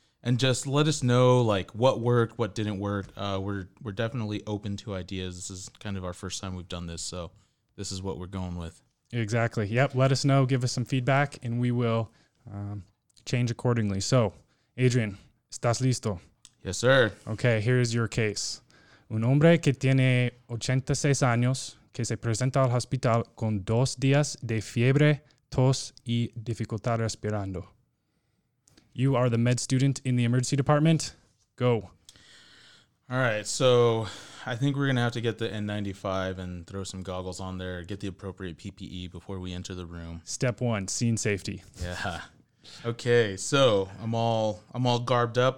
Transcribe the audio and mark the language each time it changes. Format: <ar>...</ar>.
<en>And just let us know, like, what worked, what didn't work. We're definitely open to ideas. This is kind of our first time we've done this, so this is what we're going with. Exactly. Yep, let us know. Give us some feedback, and we will change accordingly.</en> <es>So, Adrian, ¿estás listo?</es> <en>Yes, sir. Okay, here is your case.</en> <es>Un hombre que tiene 86 años que se presenta al hospital con dos días de fiebre, tos y dificultad respirando.</es> <en>You are the med student in the emergency department. Go. All right, so I think we're going to have to get the N95 and throw some goggles on there, get the appropriate PPE before we enter the room. Step one, scene safety. Yeah. Okay, so I'm all garbed up.</en>